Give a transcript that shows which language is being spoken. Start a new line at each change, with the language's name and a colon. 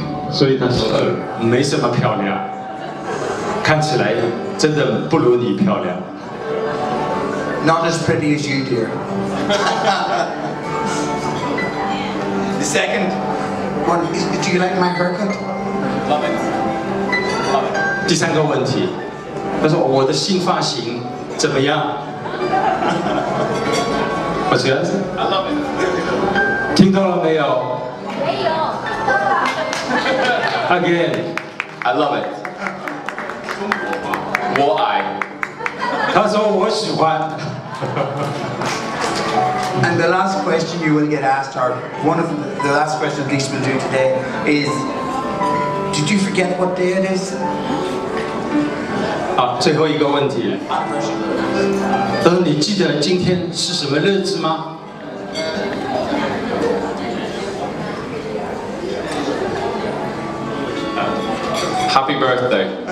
Chinese: 所以他说没什么漂亮，看起来真的不如你漂亮。
English: Not as pretty as you, dear. The second one is, do you like my haircut? Love it. Love it.
Chinese: 第三个问题。他说我的新发型怎么样？我觉得
English: I love it.
Chinese: 听到了没有？没有。
English: Again, I love it.
Chinese: 我爱。他说我喜欢。
English: And the last question you will get asked, or one of the last questions at least we'll do today, is, did you forget what day it is?
Chinese: 最后一个问题，你记得今天是什么日子吗？
English: Happy birthday.